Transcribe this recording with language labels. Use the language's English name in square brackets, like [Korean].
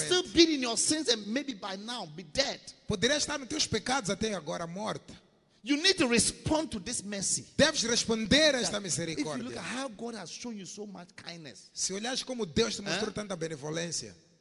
[English] You could have still been in your sins and maybe by now be dead. [Portuguese] Poderia estar nos teus pecados até agora morta. [English] You need to respond to this mercy. [Portuguese] Deves responder a esta misericórdia. [English] If you look at how God has shown you so much kindness. [Portuguese] Se olhares como Deus te mostrou tanta benevolência.